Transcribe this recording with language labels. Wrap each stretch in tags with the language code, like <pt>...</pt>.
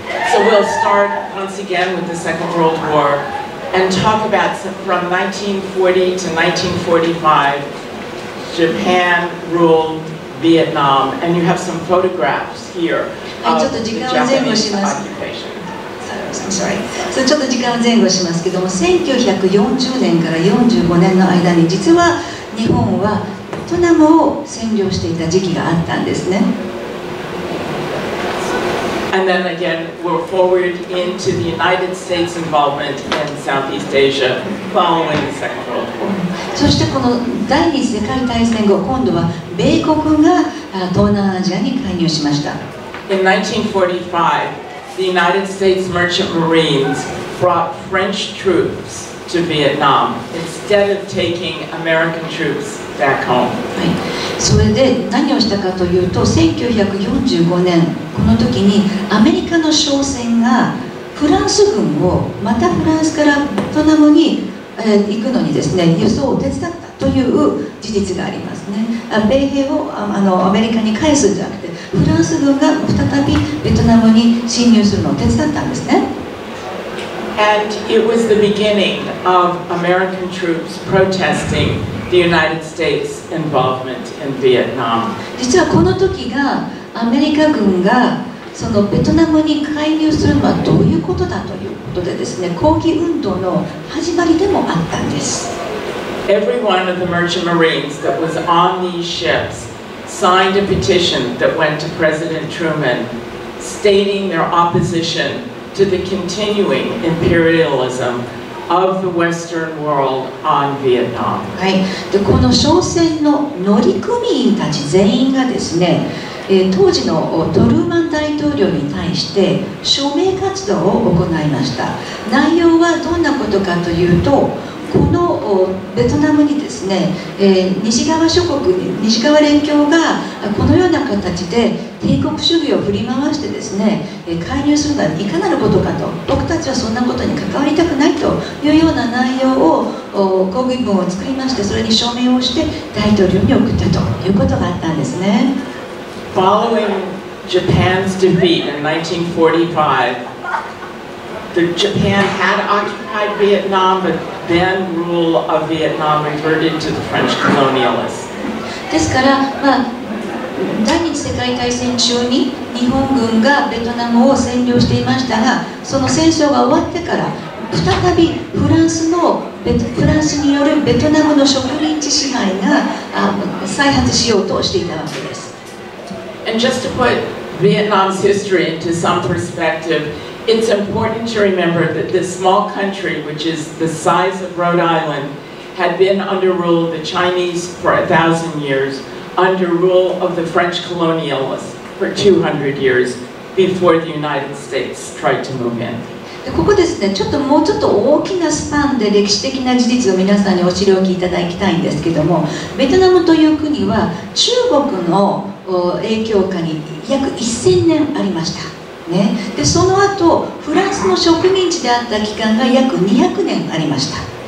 <en>So we'll start once again with the Second World War and talk about from 1940 to 1945, Japan ruled Vietnam, and you have some photographs here of the Japanese occupation.</en> <ja>So, ちょっと時間を前後しますけども、1940年から45年の間に実は日本はベトナムを占領していた時期があったんですね。</ja> <en>And then again, we're forward into the United States involvement in Southeast Asia following the Second World War.</en> <ja>そしてこの第二次世界大戦後、今度は米国が東南アジアに介入しました。</ja> <en>In 1945,The United States Merchant Marines brought French troops to Vietnam instead of taking American troops back home.</en> <ja>はい。それで何をしたかというと、1945年この時にアメリカの商船がフランス軍をまたフランスからベトナムに行くのにですね、輸送を手伝ったという事実がありますね。米兵をアメリカに返すんじゃなくて、フランス軍が再びベトナムに侵入するのを手伝ったんですね。</ja> <en>And it was the beginning of American troops protesting the United States involvement in Vietnam.</en> <ja>実はこの時がアメリカ軍がそのベトナムに介入するのはどういうことだということでですね、抗議運動の始まりでもあったんです。</ja> <en>Every one of the merchant marines that was on these ships signed a petition that went to President Truman stating their opposition to the continuing imperialism of the Western world on Vietnam.</en> <ja>はい。で、この商船の乗組員たち全員がですね、当時のトルーマン大統領に対して署名活動を行いました。内容はどんなことかというと、このベトナムにですね、西側諸国、西側連協がこのような形で帝国主義を振り回してですね、介入するのはいかなることかと、僕たちはそんなことに関わりたくないというような内容を抗議文を作りまして、それに署名をして大統領に送ったということがあったんですね。</ja> <en>Following Japan's defeat in 1945,Japan had occupied Vietnam, but then rule of Vietnam reverted to the French colonialists.</en> <ja>ですから、まあ、第二次世界大戦中に日本軍がベトナムを占領していましたが、その戦争が終わってから再びフランスによるベトナムの植民地支配が再発しようとしていたわけです。</ja> <en>And just to put Vietnam's history into some perspective,It's important to remember that this small country, which is the size of Rhode Island, had been under rule of the Chinese for 1,000 years, under rule of the French colonialists for 200 years, before the United States tried to move in.</en> <ja>ここですね、ちょっともうちょっと大きなスパンで歴史的な事実を皆さんにお知りおきいただきたいんですけども、ベトナムという国は中国の影響下に約1000年ありましたね、でその後フランスの植民地であった期間が約200年ありました。</ja>